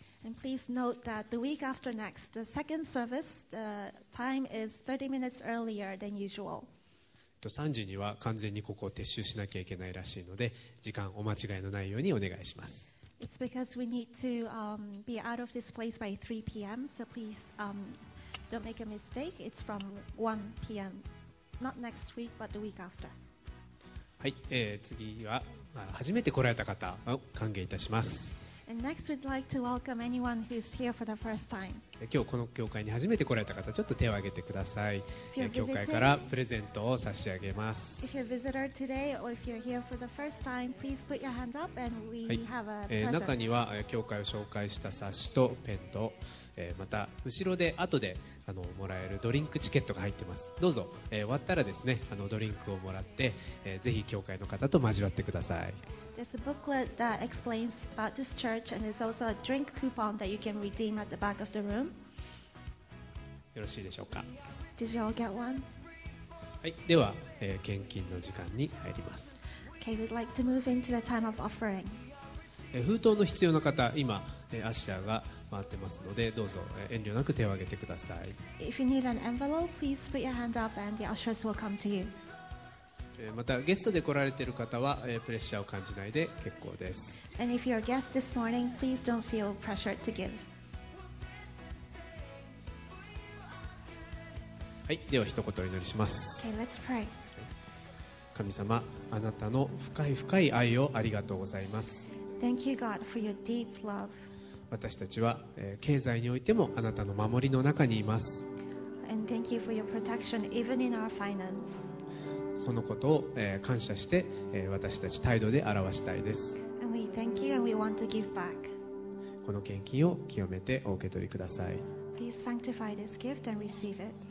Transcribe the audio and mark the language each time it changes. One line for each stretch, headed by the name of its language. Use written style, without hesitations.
English: And please note that the week after next, the second service, the time is 30 minutes earlier than usual.
Japanese: 3時には完全にここを撤収しなきゃいけないらしいので、時間お間違いのないようにお願いします。
English: It's because we need to be out of this place by 3 p.m. So please don't make a mistake. It's from 1 p.m. Not next week, but the week after.
Japanese: はい、次は初めて来られた方を歓迎いたします。
English: And next, we'd like to welcome anyone who's here for the first time.
Japanese: 今日この教会に初めて来られた方、ちょっと手を挙げてください。教会からプレゼントを差し上げます。
English: If you're a visitor today or if you're here for the first time, please put your hand up and we have a present.
Japanese: 中には教会を紹介した冊子とペンと、また後ろで後でもらえるドリンクチケットが入ってます。どうぞ、終わったらですね、ドリンクをもらって、ぜひ教会の方と交わってください。
English: There's a booklet that explains about this church, and there's also a drink coupon that you can redeem at the back of the room.
Japanese: よろしいでしょうか。
English: Did you all get one?
Japanese: はい、では、献金の時間に入ります。
English: Okay, we'd like to move into the time of offering.
Japanese: 封筒の必要な方、今、アシアが回ってますので、どうぞ、遠慮なく手を挙げてください。
English: If you need an envelope, please put your hand up and the ushers will come to you.
Japanese: またゲストで来られている方は、プレッシャーを感じないで結構です。
English: And if you're a guest this morning, please don't feel pressure to give.
Japanese: はい、では一言お祈りします。
English: Okay, let's pray.
Japanese: 神様、あなたの深い深い愛をありがとうございます。
English: Thank you, God, for your deep love.
Japanese: 私たちは、経済においてもあなたの守りの中にいます。
English: And thank you for your protection even in our finance.
Japanese: そのことを感謝して私たち態度で表したいです。
English: And we thank you and we want to give back.
Japanese: この献金を清めてお受け取りください。
English: Please sanctify this gift and receive it.